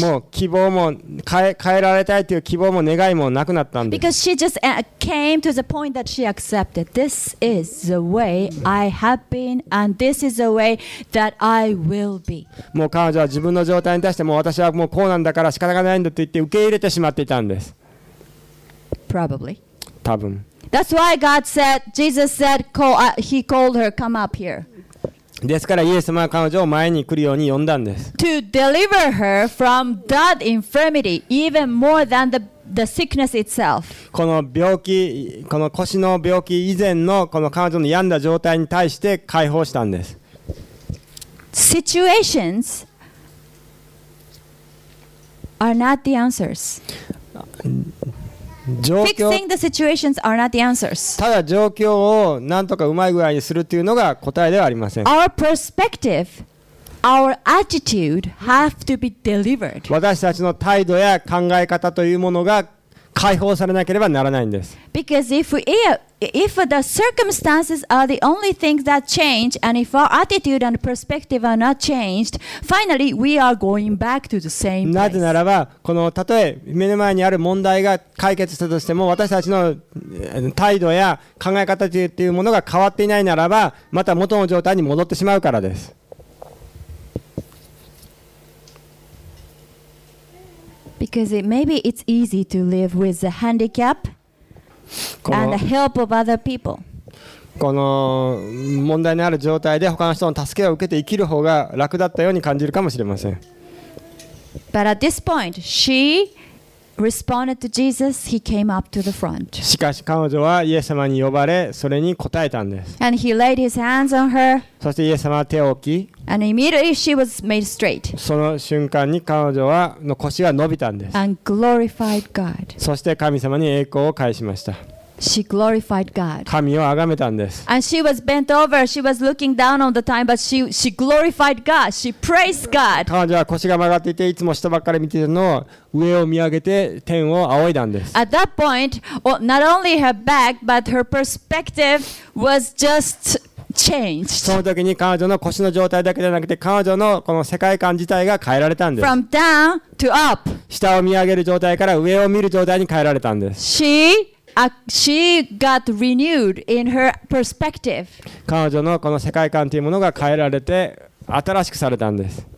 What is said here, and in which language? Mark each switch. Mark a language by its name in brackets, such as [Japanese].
[Japanese] もう希望も変えられたいという希望も願いもなくなったんです。 [English] Because she just came to the point that she accepted this is the way I have been and this is the way that I will be. [Japanese] もう彼女は自分の状態に対してもう私はもうこうなんだから仕方がないんだと言って受け入れてしまっていたんです。 [English] Probably. [Japanese] 多分。 [English] That's why God said, Jesus said, he called her, come up here. [Japanese] ですからイエス様は彼女を前に来るように呼んだんです。 [English] To deliver her from that infirmity, even more than the sickness itself. [Japanese] この病気、この腰の病気以前のこの彼女の病んだ状態に対して解放したんです。 [English] Situations are not the answers. Fixing the situations are not the answers. [Japanese] ただ状況を何とかうまい具合にするというのが答えではありません。 [English] Our perspective, our attitude have to be delivered. [Japanese] 私たちの態度や考え方というものが解放されなければならないんです。 [English] Because if the circumstances are the only things that change, and if our attitude and perspective are not changed, finally we are going back to the same place. [Japanese] なぜならば、このたとえ目の前にある問題が解決したとしても、私たちの態度や考え方というものが変わっていないならば、また元の状態に戻ってしまうからです。 [English] Because maybe it's easy to live with the handicap and the help of other people. [Japanese] この問題のある状態で他の人の助けを受けて生きる方が楽だったように感じるかもしれません。 [English] But at this point, she responded to Jesus. He came up to the front. [Japanese] しかし彼女はイエス様に呼ばれ、それに答えたんです。 [English] And he laid his hands on her. [Japanese] そしてイエス様は手を置き、 [English] And immediately she was made straight. [Japanese] その瞬間に彼女はの腰が伸びたんです。 [English] And glorified God. [Japanese] そして神様に栄光を返しました。 [English] She glorified God. [Japanese] 神を崇めたんです。 [English] And she was bent over. She was looking down on the time, but she glorified God. She praised God. [Japanese] 彼女は腰が曲がっていて、いつも下ばっかり見ているのを上を見上げて天を仰いだんです。 [English] At that point, not only her back, but her perspective was just changed. [Japanese] その時に彼女の腰の状態だけじゃなくて、彼女のこの世界観自体が変えられたんです。 [English] From down to up. [Japanese] 下を見上げる状態から上を見る状態に変えられたんです。 [English] She got renewed in her perspective. [Japanese] 彼女のこの世界観というものが変えられて新しくされたんです。